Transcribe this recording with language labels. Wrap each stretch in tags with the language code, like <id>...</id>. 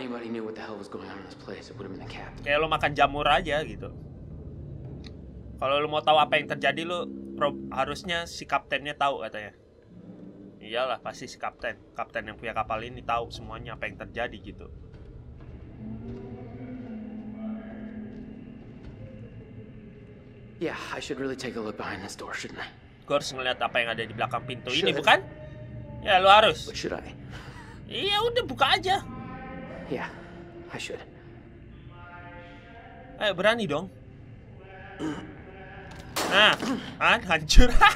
<en>If anybody knew what the hell was going on in this place, it would have been the captain.</en> <id>Kayak lu makan jamur aja gitu. Kalau lu mau tahu apa yang terjadi, lu harusnya si kaptennya tahu katanya. Iyalah, pasti si kapten. Kapten yang punya kapal ini tahu semuanya apa yang terjadi gitu.</id> <en>Yeah, I should really take a look behind this door, shouldn't I?</en> <id>Gua harus ngeliat apa yang ada di belakang pintu ini, bukan? Ya, lu harus.</id> <en>But should I?</en> <id>Iya, udah buka aja.</id> <en>Yeah, I should.</en> <id>Ayo, berani dong. Nah, kan? Hancur.</id>